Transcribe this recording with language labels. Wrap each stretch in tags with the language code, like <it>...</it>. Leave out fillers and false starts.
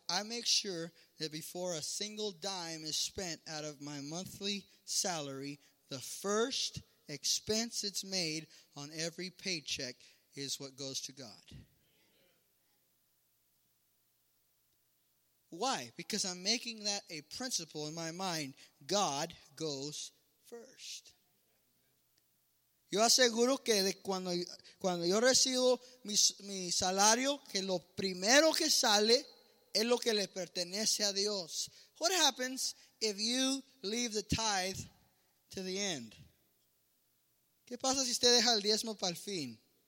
<en>I make sure that before a single dime is spent out of my monthly salary, the first expense that's made on every paycheck is what goes to God. Why? Because I'm making that a principle in my mind. God goes first.</en> <es>Yo aseguro que de cuando yo recibo mi salario, que lo primero que sale es lo que le pertenece a Dios.</es> <en>What happens if you leave the tithe to the end?</en> <es>¿Qué pasa si usted deja el diezmo para el fin?</es>